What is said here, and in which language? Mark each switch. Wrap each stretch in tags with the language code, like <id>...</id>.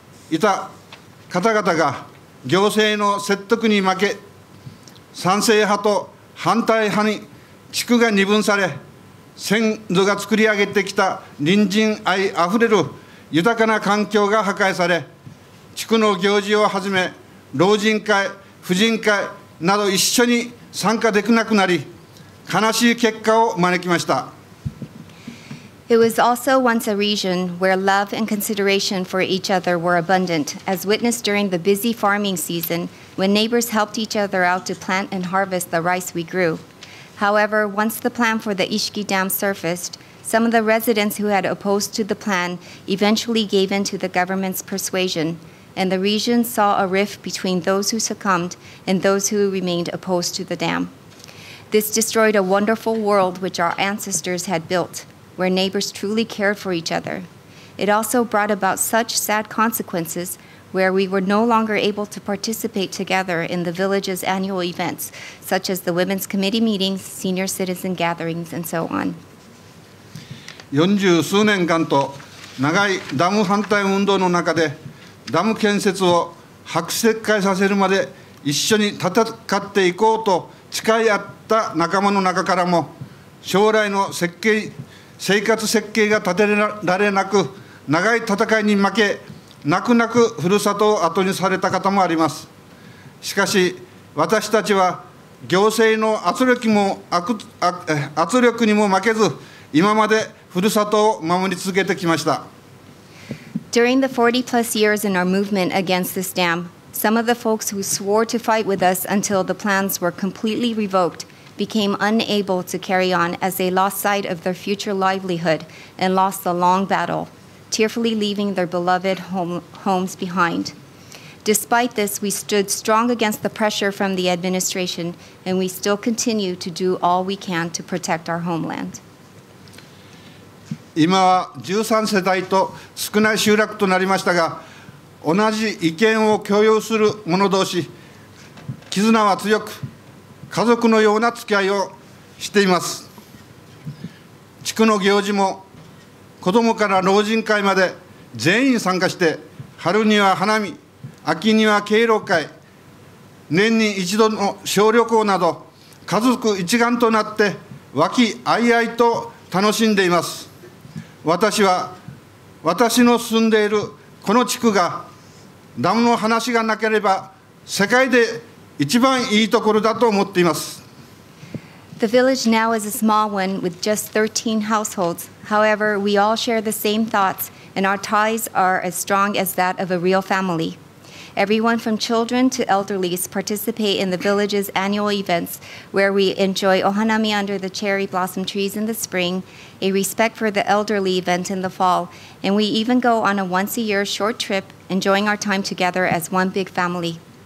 <ja>いた方々が行政の説得に負け、賛成派と反対派に地区が二分され、先祖が作り上げてきた隣人愛あふれる豊かな環境が破壊され、地区の行事をはじめ老人会、婦人会など一緒に参加できなくなり、悲しい結果を招きました。</ja> <en>It was also once a region where love and consideration for each other were abundant, as witnessed during the busy farming season when neighbors helped each other out to plant and harvest the rice we grew. However, once the plan for the Ishiki Dam surfaced, some of the residents who had opposed to the plan eventually gave in to the government's persuasion, and the region saw a rift between those who succumbed and those who remained opposed to the dam. This destroyed a wonderful world which our ancestors had built, where neighbors truly cared for each other. It also brought about such sad consequences where we were no longer able to participate together in the village's annual events, such as the women's committee meetings, senior citizen gatherings, and so on.</en> <ja>40数年間と長いダム反対運動の中で、ダム建設を白石化させるまで一緒に戦っていこうと誓い合った仲間の中からも、将来の設計生活設計が立てられなく、長い戦いに負け、泣く泣くふるさとを後にされた方もあります。しかし、私たちは行政の圧力にも負けず、今までふるさとを守り続けてきました。</ja> <en>During the 40-plus years in our movement against this dam, some of the folks who swore to fight with us until the plans were completely revoked became unable to carry on as they lost sight of their future livelihood and lost the long battle, tearfully leaving their beloved homes behind. Despite this, we stood strong against the pressure from the administration, and we still continue to do all we can to protect our homeland.</en> <ja>今は13世帯と少ない集落となりましたが、同じ意見を共有する者同士、絆は強く、家族のような付き合いをしています。地区の行事も、子どもから老人会まで全員参加して、春には花見、秋には敬老会、年に一度の小旅行など、家族一丸となって、和気あいあいと楽しんでいます。私は、私の住んでいるこの地区が、ダムの話がなければ、世界で一番いいところだと思っています。</ja> <en>The village now is a small one with just 13 households. However, we all share the same thoughts, and our ties are as strong as that of a real family. Everyone from children to elderly participate in the village's annual events, where we enjoy ohanami under the cherry blossom trees in the spring, a respect for the elderly event in the fall, and we even go on a once a year short trip, enjoying our time together as one big family.</en>